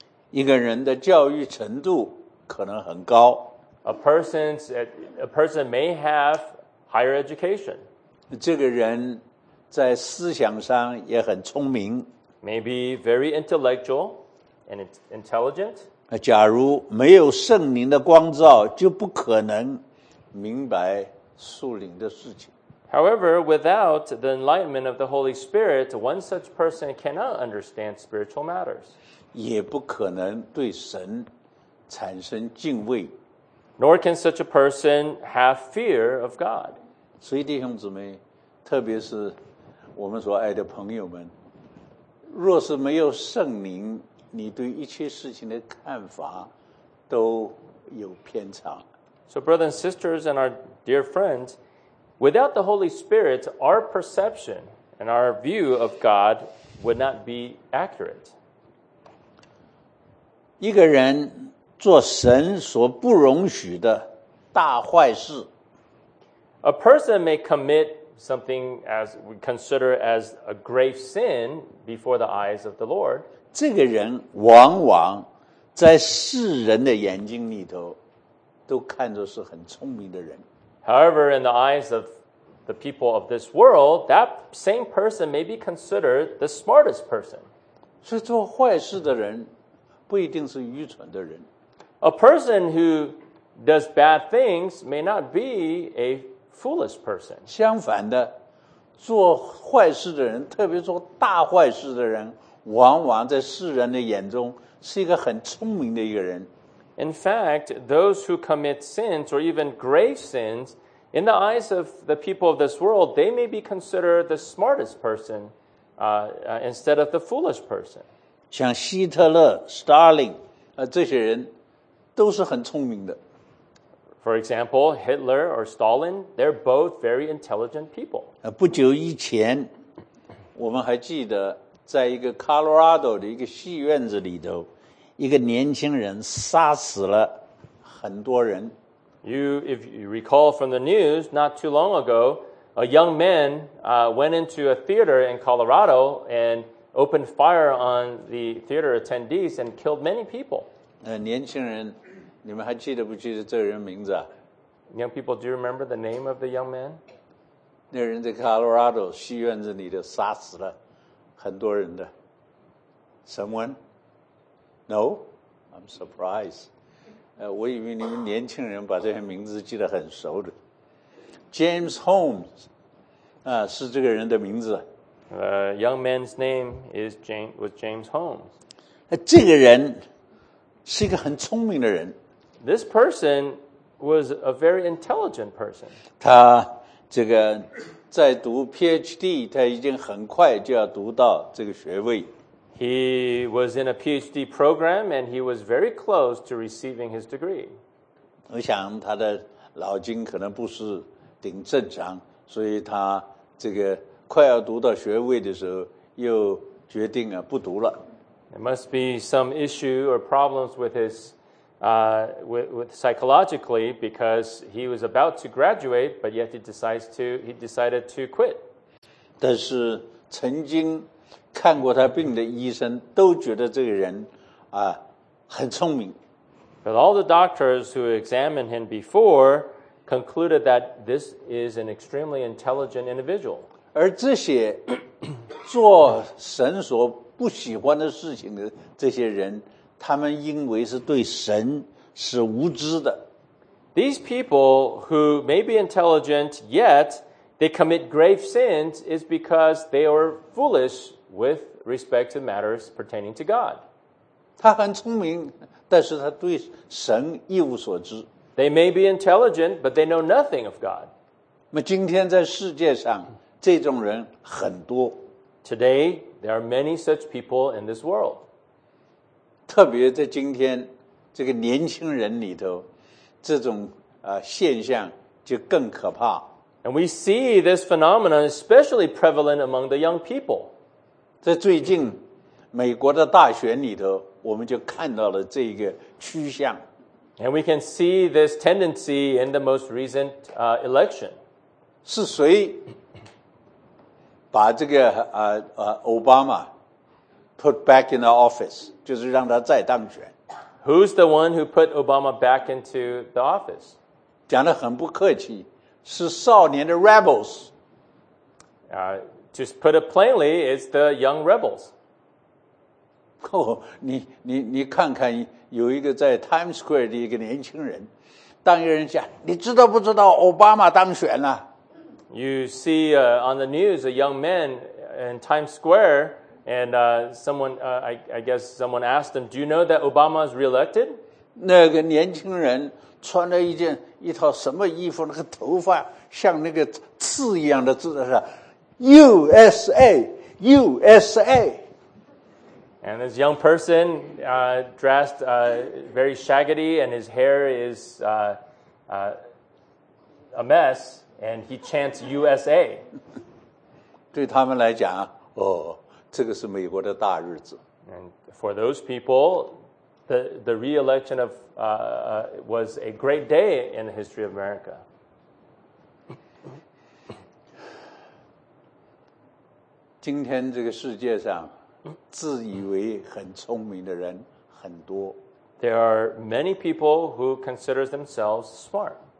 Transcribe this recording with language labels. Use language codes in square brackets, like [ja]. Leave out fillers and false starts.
[zh] 一个人的教育程度可能很高。 [en] A person may have higher education. [zh] 这个人在思想上也很聪明。 [en] Maybe very intellectual and intelligent. [zh] 假如没有圣灵的光照，就不可能明白属灵的事情。 [en] However, without the enlightenment of the Holy Spirit, one such person cannot understand spiritual matters. [zh] 也不可能对神产生敬畏。 [en] Nor can such a person have fear of God. [zh] 所以弟兄姊妹，特别是我们所爱的朋友们，若是没有圣灵，你对一切事情的看法都有偏差。 [en] So brothers and sisters and our dear friends, without the Holy Spirit, our perception and our view of God would not be accurate. [zh] 一个人做神所不容许的大坏事。 [en] A person may commit something as we consider as a grave sin before the eyes of the Lord. [zh] 这个人往往在世人的眼睛里头都看作是很聪明的人。 [en] However, in the eyes of the people of this world, that same person may be considered the smartest person. [zh] 所以做坏事的人不一定是愚蠢的人。 [en] A person who does bad things may not be a foolish person. [zh] 相反的，做坏事的人，特别做大坏事的人，往往在世人的眼中是一个很聪明的一个人。 [en] In fact, those who commit sins or even grave sins, in the eyes of the people of this world, they may be considered the smartest person, instead of the foolish person. [zh] 像希特勒、Stalin, 这些人都是很聪明的。 [en] For example, Hitler or Stalin, they're both very intelligent people. [zh] 不久以前，我们还记得在一个 Colorado 的一个戏院子里头，一个年轻人杀死了很多人。 [en] If you recall from the news, not too long ago, a young man went into a theater in Colorado and opened fire on the theater attendees and killed many people. [zh] 年轻人，你们还记得不记得这人名字啊？ [en] Young people, do you remember the name of the young man? [zh] 那人在 Colorado 戏院子里的杀死了很多人的。 [en] Someone? No, I'm surprised. [zh] 我以为你们年轻人把这些名字记得很熟的。 James Holmes, 是这个人的名字。 [en] Young man's name is James Holmes. [zh] 这个人是一个很聪明的人。 [en] This person was a very intelligent person. [zh] 他这个在读 PhD, 他已经很快就要读到这个学位。 [en] He was in a PhD program, and he was very close to receiving his degree. [zh] 我想他的脑筋可能不是顶正常，所以他这个快要读到学位的时候，又决定啊不读了。 [en] There must be some issue or problems with his, with psychologically, because he was about to graduate, but yet he decided to quit. [zh] 但是曾经看过他病的医生都觉得这个人啊很聪明。 [en] But all the doctors who examined him before concluded that this is an extremely intelligent individual. [zh] 而这些做神所不喜欢的事情的这些人，他们因为是对神是无知的。 [en] These people who may be intelligent yet they commit grave sins is because they are foolish. With respect to matters pertaining to God. [zh] 他很聪明，但是他对神一无所知。 [en] They may be intelligent, but they know nothing of God. [zh] 那今天在世界上，这种人很多。 [en] Today, there are many such people in this world. [zh] 特别在今天，这个年轻人里头，这种现象就更可怕。 [en] And we see this phenomenon especially prevalent among the young people. [zh] 在最近美国的大选里头，我们就看到了这个趋向。 [en] And we can see this tendency in the most recent election. [zh] 是谁把这个Obama [en] put back in the office, [zh] 就是让他再当选。 [en] Who's the one who put Obama back into the office? [zh] 讲得很不客气，是少年的 rebels。 [en] Just put it plainly, it's the young rebels. [zh] Oh, 你看看，有一个在 Times Square 的一个年轻人，当一个人讲，你知道不知道奥巴马当选了？ [en] You see on the news a young man in Times Square, and someone asked him, "Do you know that Obama is reelected?" [zh] 那个年轻人穿了一套什么衣服？那个头发像那个刺一样的，知道是吧？ [en] USA, USA. And this young person dressed very shaggy and his hair is a mess and he chants USA. [zh] 对他们来讲，哦，这个是美国的大日子。 [en] And for those people, the re-election of was a great day in the history of America. [zh] 今天这个世界上自以为很聪明的人很多。 [en] There are many people who consider themselves smart.